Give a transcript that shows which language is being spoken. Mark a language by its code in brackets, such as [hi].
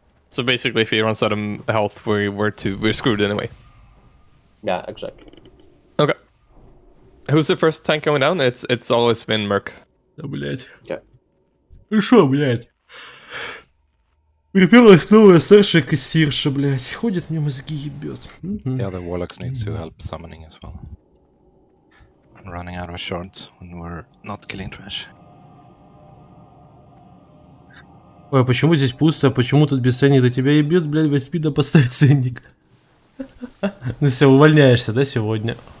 [en] So basically, if he runs out of health, we're screwed anyway. Yeah, exactly. Okay. Who's the first tank going down? It's always been Merc. [ru] Да, блять. [en] Yeah. [ru] Ну шо, блять? Припёрлась новая старшая кассирша, блядь. Ходит мне мозги ебёт. [en] The other warlocks need to help summoning as well. I'm running out of shorts when we're not killing trash. [ru] Ой, а почему здесь пусто? А почему тут без ценника тебя ебёт, блядь? Возьми да поставь ценник. Ну всё, увольняешься, да, сегодня?